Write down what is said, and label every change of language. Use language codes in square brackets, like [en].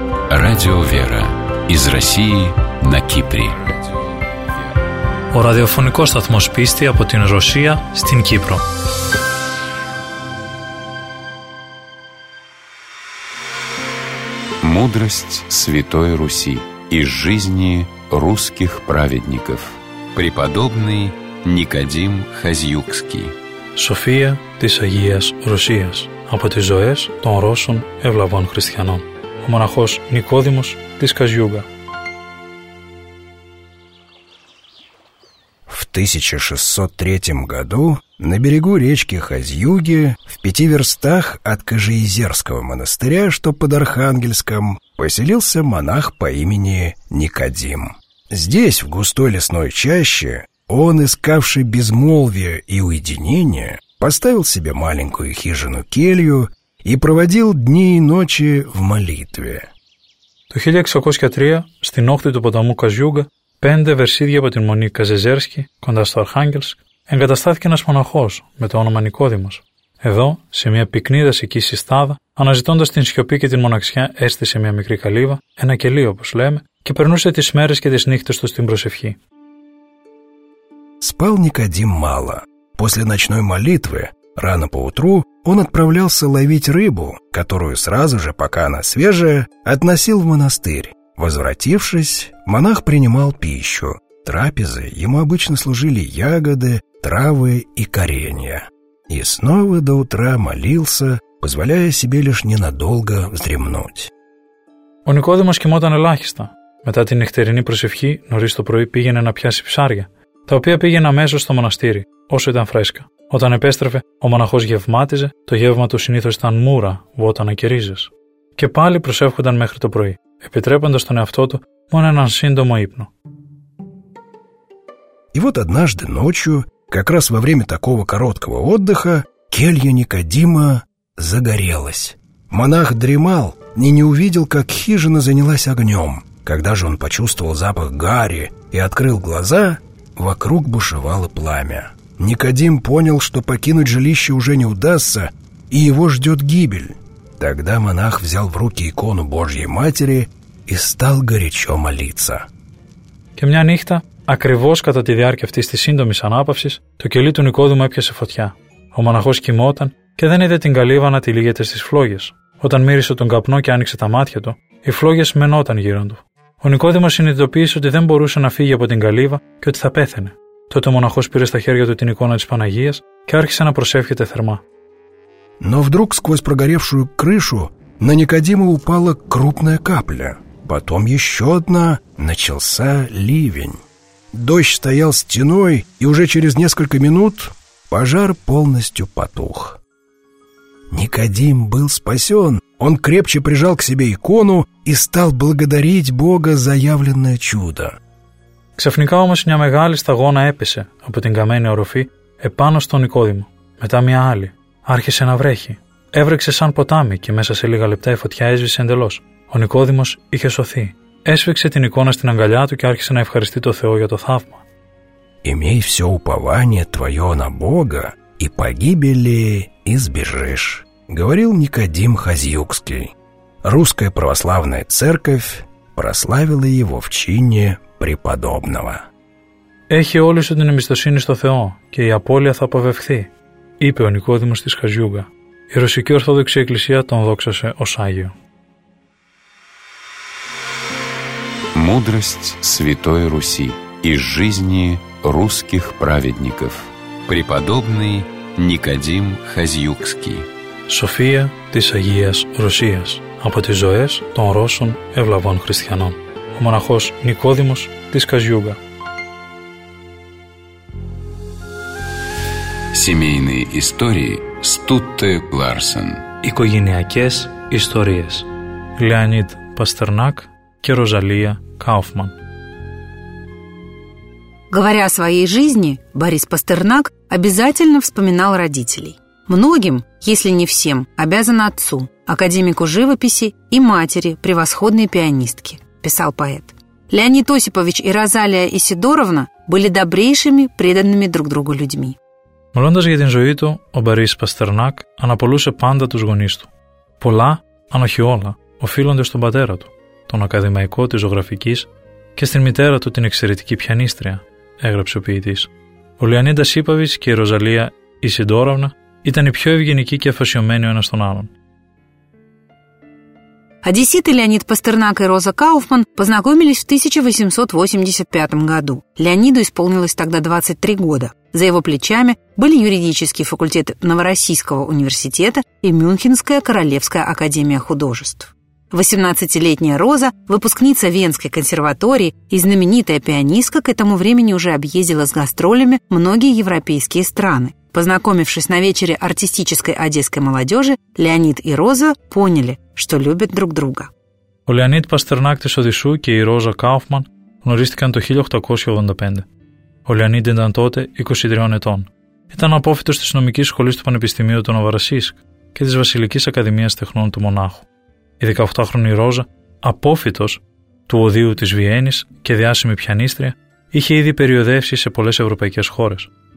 [ru] Радио Вера из России на Кипре. [el] Ο ραδιοφωνικός σταθμός πίστη από την Ρωσία στην Κύπρο. [ru] Мудрость Святой Руси из жизни русских праведников. Преподобный Никодим Хазьюкский. [el] София της Агίας Ρωσίας από τις ζωές των Ρώσων ευλαβών χριστιανών. Ο μοναχός Νικόδημος της Καζιούγκα. [ru] В 1603 году на берегу речки Хазьюги, в 5 верстах от Кожеизерского монастыря, что под Архангельском, поселился монах по имени Никодим. Здесь, в густой лесной чаще, он, искавший безмолвие и уединение, поставил себе маленькую хижину-келью и проводил дни и ночи в молитве. [el] Το 1603, στην όχθη του ποταμού Καζιούγκα, 5 βερσίδια από την μονή Καζεζέρσκη, κοντά στο Αρχάγγελσκ, εγκαταστάθηκε ένας μοναχός με το όνομα Νικόδημος. Εδώ, σε μια πυκνή δασική συστάδα, αναζητώντας την σιωπή και την μοναξιά, έστησε μια μικρή καλύβα, ένα κελί όπως λέμε, και περνούσε τις μέρες και τις νύχτες του στην προσευχή. [ru] Спал Никодим мало. После ночной молитвы, рано поутру, он отправлялся ловить рыбу, которую сразу же, пока она свежая, относил в монастырь. Возвратившись, монах принимал пищу. Трапезы ему обычно служили ягоды, травы и коренья. И снова до утра молился, позволяя себе лишь ненадолго вздремнуть. [el] Ο Νικόδημος κοιμόταν ελάχιστα. Μετά την νυχτερινή προσευχή, νωρίς το πρωί πήγαινε να πιάσει ψάρια, τα οποία πήγαινε αμέσως στο μοναστήρι, όσο ήταν φρέσκα. Όταν επέστρεφε, ο μοναχός γευμάτιζε, το γεύμα του συνήθως ήταν μούρα, βότανα και ρίζες. Και πάλι προσεύχονταν μέχρι το πρωί, επιτρέποντας τον εαυτό του μόνο έναν σύντομο ύπνο. [ru] И вот однажды ночью, как раз во время такого короткого отдыха, Келья Никодима загорелась. Монах дремал и не увидел, как хижина занялась огнем. Когда же он почувствовал запах гари и открыл глаза, вокруг бушевало пламя. Никодим понял, что покинуть жилище уже не удастся, и его ждет гибель. Тогда монах взял в руки икону Божьей Матери и стал горячо молиться. [el] Και μια νύχτα, ακριβώς κατά τη διάρκεια αυτής της σύντομης ανάπαυσης, το κελί του Νικόδημου έπιασε φωτιά. Ο μοναχός κοιμόταν και δεν είδε την καλύβα να τυλίγεται στις φλόγες. Όταν μύρισε τον καπνό και άνοιξε τα μάτια του, οι φλόγες μενόταν γύρω του. Ο Νικόδημος συνειδητοποίησε ότι δεν μπορούσε να φύγει από την καλύβα και ότι θα πέθαινε. Τότε ο μοναχός πήρε στα χέρια του την εικόνα της Παναγίας και άρχισε να προσεύχεται θερμά. [ru] Но вдруг сквозь прогоревшую крышу на Никодима упала крупная капля. Потом еще одна, начался ливень. Дождь стоял стеной, и уже через несколько минут пожар полностью потух. Никодим был спасен. Он крепче прижал к себе икону и стал благодарить Бога за явленное чудо. [el] Ξαφνικά όμως μια μεγάλη σταγόνα έπεσε από την καμένη οροφή επάνω στον Νικόδημο. Μετά μια άλλη. Άρχισε να βρέχει. Έβρεξε σαν ποτάμι και μέσα σε λίγα λεπτά η φωτιά έσβησε εντελώς. Ο Νικόδημος είχε σωθεί. Έσφιξε την εικόνα στην αγκαλιά του και άρχισε να ευχαριστεί το Θεό για το θαύμα. [ru] «Имей все упование твое на Бога и погибели избежишь», говорил Никодим Хазьюкский. Русская православная церковь прославила его в чине преподобного. [el] «Έχει όλη σου την εμπιστοσύνη στο Θεό και η απώλεια θα αποβευχθεί», είπε ο Νικόδημος της Χαζιούγκα. Η Ρωσική Ορθόδοξη Εκκλησία τον δόξασε ως Άγιο. [ru] Мудрость Святой Руси из жизни русских праведников. Преподобный Никодим Хазьюкский. [el] София της Агίας Ρωσίας. Από τις ζωές των Ρώσων ευλαβών χριστιανών. Ο μοναχός Νικόδημος της Χαζιούγκα. [ru] Семейные истории Стутте Ларсен. [el] Οικογενειακές ιστορίες. [ru] Леонид Пастернак και Ροζαλία Кауфман. Говоря о своей жизни, Борис Пастернак обязательно вспоминал родителей. Многим, если не всем, обязан отцу, академику живописи и матери, превосходной пианистке, писал поэт. Леонид Осипович и Розалия Исидоровна были добрейшими, преданными друг другу людьми. [el] Μιλώντας για την ζωή του, ο Борис Пастернак αναπολούσε πάντα τους γονείς του. Πολλά, αν όχι όλα, οφείλονται στον πατέρα του, τον ακαδημαϊκό της ζωγραφικής, και στην μητέρα του την εξαιρετική πιανίστρια, έγραψε ο ποιητής. Ο Λεωνίδας Σίπαβιτς και η Ροζαλία Ισιντόροβνα ήταν οι πιο ευγενικοί και αφοσιωμένοι ο ένας τον άλλον. [ru] Одесситы Леонид Пастернак и Роза Кауфман познакомились в 1885 году. Леониду исполнилось тогда 23 года. За его плечами были юридические факультеты Новороссийского университета и Мюнхенская Королевская академия художеств. 18-летняя Роза, выпускница Венской консерватории и знаменитая пианистка, к этому времени уже объездила с гастролями многие европейские страны. Познакомившись на вечере артистической одесской молодежи, Леонид и Роза поняли, что любят друг друга. [el] Ο Леонид Пастернак της Οδυσσού και η Ρόζα Κάουφμαν γνωρίστηκαν το 1885. Ο Леонид ήταν τότε 23 ετών. Ήταν απόφοιτος της νομικής σχολής του Πανεπιστημίου του Νοβαρασίσκ και της Βασιλικής Ακαδημίας Τεχνών του Μονάχου. Η 18χρονη Ρόζα, απόφοιτος του Οδείου της Βιέννης και διάσημη πιανίστρια, είχε ήδη περιοδεύσει σε πολλές ευρωπαϊκές χώρες.